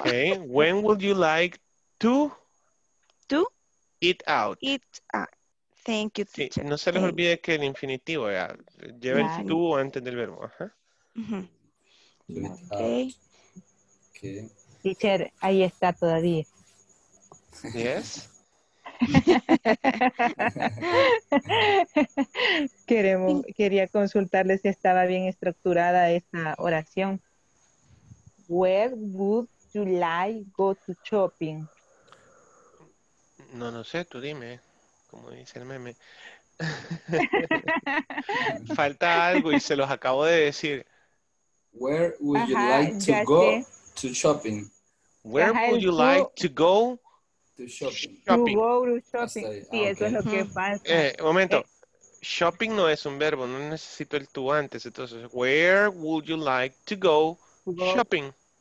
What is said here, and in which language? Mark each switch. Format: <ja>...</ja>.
<en>Okay, when would you like to eat out? Thank you, teacher.</en> <es>Sí, no se les olvide que el infinitivo ya lleva el tú antes del verbo. Ajá. Uh-huh. Okay. Okay. Teacher, ahí está todavía.</es> <en>Yes.</en> <es>quería consultarle si estaba bien estructurada esa oración.</es> <en>Where would you like go to shopping?</en> <es>No sé, tú dime. Como dice el meme. Falta algo y se los acabo de decir.</es> <en>Where would you like to go to shopping? Where would you like to go to shopping? To go to shopping.</en> <es>Sí, okay. Eso es lo que pasa. Momento. Shopping no es un verbo. No necesito el tú antes.</es> <en>Entonces, where would you like to go shopping?</en>